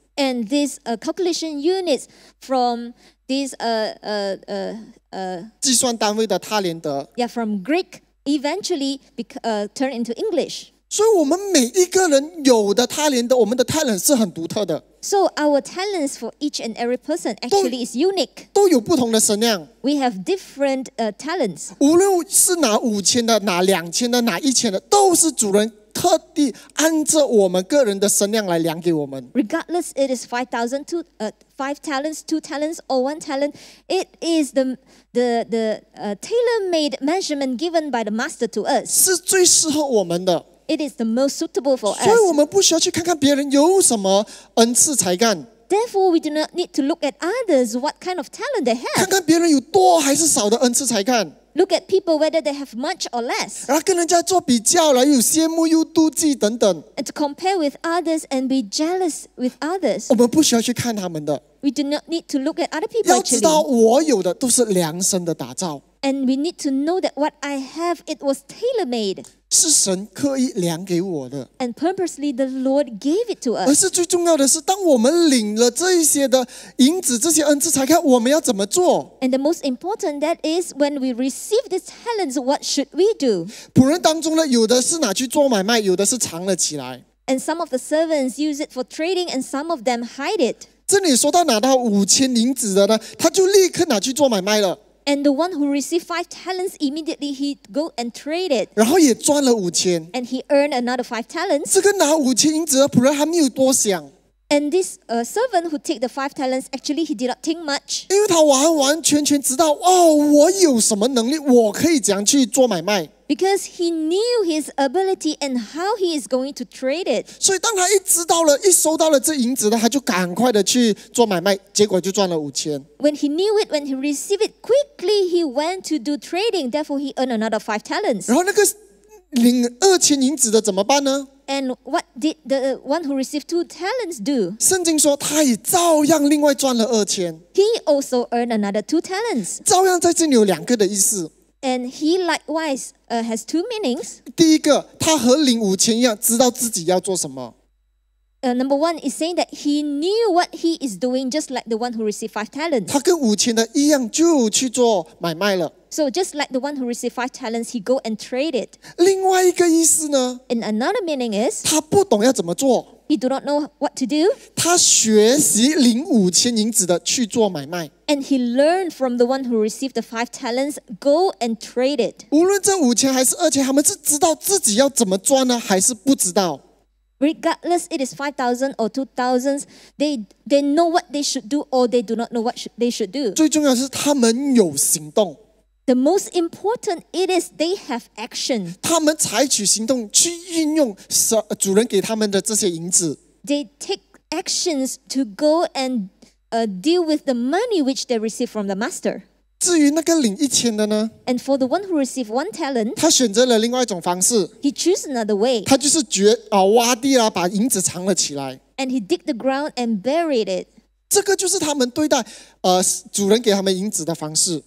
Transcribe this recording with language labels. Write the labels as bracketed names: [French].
[English] And this calculation units from this [Chinese] 计算单位的塔连德 [English] yeah, from Greek eventually turned into English. [Chinese] 所以我们每一个人有的塔连德，我们的 talent 是很独特的。 [English] So our talents for each and every person actually is unique. [Chinese] 都有不同的神量。 [English] We have different talents. [Chinese] 无论是哪五千的、哪两千的、哪一千的，都是主人特地按着我们个人的身量来量给我们。 [English] Regardless, it is 5,000, five talents, two talents, or one talent. It is the tailor-made measurement given by the master to us. [Chinese] 是最适合我们的。 [English] It is the most suitable for us. [Chinese] 所以我们不需要去看看别人有什么恩赐才干。 [English] Therefore, we do not need to look at others what kind of talent they have. [Chinese] 看看别人有多还是少的恩赐才干。 [English] Look at people whether they have much or less. [Chinese] 然后跟人家做比较了，又羡慕又妒忌等等。 [English] And to compare with others and be jealous with others. [Chinese] 我们不需要去看他们的。 [English] We do not need to look at other people. [Chinese] 要知道我有的都是量身的打造。 [English] And we need to know that what I have, it was tailor-made. [Chinese] 是神刻意量给我的。 [English] And purposely the Lord gave it to us. [Chinese] 而是最重要的是，当我们领了这一些的银子，这些恩赐才看我们要怎么做。 [English] And the most important that is, when we receive these talents, what should we do? [Chinese] 仆人当中呢，有的是拿去做买卖，有的是藏了起来。 [English] And some of the servants use it for trading, and some of them hide it. [Chinese] 这里说到拿到五千银子的呢，他就立刻拿去做买卖了。 [English] And the one who received five talents, immediately he go and trade it. [Chinese] 然后也赚了五千。 [English] And he earned another five talents. [Chinese] 这个拿五千银子的仆人还没有多想。 [English] And this servant who take the five talents, actually he did not think much. [Chinese] 因为他完完全全知道，哦，我有什么能力，我可以怎样去做买卖。 [English] Because he knew his ability and how he is going to trade it. [Chinese] 所以当他一知道了，一收到了这银子呢，他就赶快的去做买卖，结果就赚了五千。 [English] When he knew it, when he received it, quickly he went to do trading. Therefore, he earned another five talents. [Chinese] 然后那个领二千银子的怎么办呢？ [English] And what did the one who received two talents do? [Chinese] 圣经说他也照样另外赚了二千。 [English] He also earned another two talents. [Chinese] 照样在这里有两个的意思。 [English] And he likewise has two meanings. [Chinese] 第一个，他和领五千一样，知道自己要做什么。 [English] Number one is saying that he knew what he is doing, just like the one who received five talents. [Chinese] 他跟五千的一样，就去做买卖了。 [English] So just like the one who received five talents, he go and trade it. [Chinese] 另外一个意思呢 [English] ？And another meaning is [Chinese] 他不懂要怎么做。 [English] He do not know what to do. [Chinese] 他学习领五千银子的去做买卖。 [English] And he learned from the one who received the five talents, go and trade it. [Chinese] 无论这五千还是二千，他们是知道自己要怎么赚呢，还是不知道？ [English] Regardless, it is 5,000 or 2,000, they know what they should do or they do not know what they should do. [Chinese] 最重要是他们有行动。 [English] The most important it is they have action. [Chinese] 他们采取行动去运用主人给他们的这些银子。 [English] They take actions to go and deal with the money which they receive from the master. [Chinese] 至于那个领一千的呢？ [English] And for the one who received one talent, [Chinese] 他选择了另外一种方式。 [English] He choose another way. [Chinese] 他就是挖地啦，把银子藏了起来。 [English] And he dig the ground and buried it. [Chinese] 这个就是他们对待主人给他们银子的方式。